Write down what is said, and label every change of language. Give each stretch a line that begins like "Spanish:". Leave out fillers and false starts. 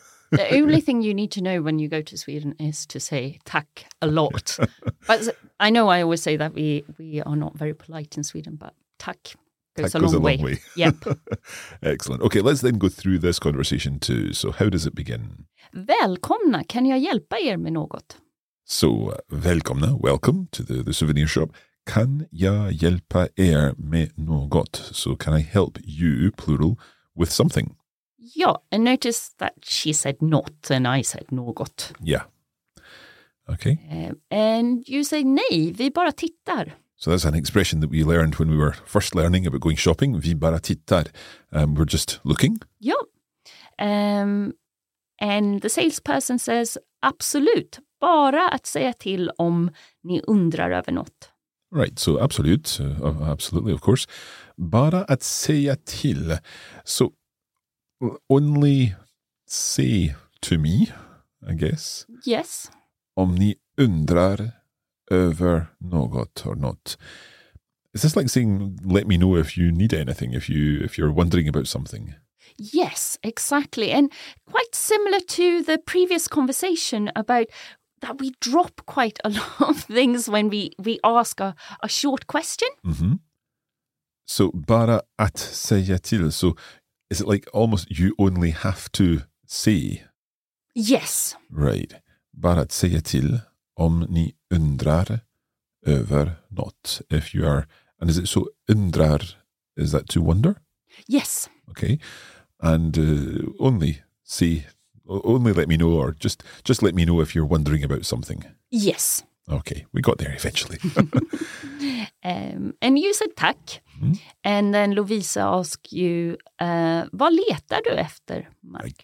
English: the only thing you need to know when you go to Sweden is to say tack a lot. But I know I always say that we are not very polite in Sweden, but tack goes a long way. Yep. Excellent. Okay, let's then go through this conversation too. So how does it begin?
Swedish: Välkomna, kan jag hjälpa er med något?
English: So välkomna, welcome to the souvenir shop.
Swedish: Kan jag hjälpa er med något?
English: So can I help you, plural, with something? Ja, and notice that she said not and I said något. Yeah. Okay. And you say
Swedish: nej, vi bara tittar.
English: So that's an expression that we learned when we were first learning about going shopping.
Swedish: Vi bara tittar.
English: We're just looking.
Swedish: Ja.
English: And the salesperson says,
Swedish: absolut, bara att säga till om ni undrar över något.
English: Right, so absolutely, of course.
Swedish: Bara att säga till.
English: So, only say to me, I guess. Yes.
Swedish: Om ni undrar över något
English: or not. Is this like saying, let me know if you need anything, if you're wondering about something? Yes, exactly. And quite similar to the previous conversation about that we drop quite a lot of things when we ask a short question.
Swedish: Mm-hmm. So, bara att säga till.
English: So, is it like almost you only have to say? Yes. Right.
Swedish: Bara att säga till om ni undrar över något.
English: If you are, and is it so undrar, is that to wonder? Yes. Okay. And only say. Only let me know, or just let me know if you're wondering about something. Yes. Okay, we got there eventually. And you said tack. Mm-hmm. And then Lovisa asked you,
Swedish: vad letar du efter, Mark?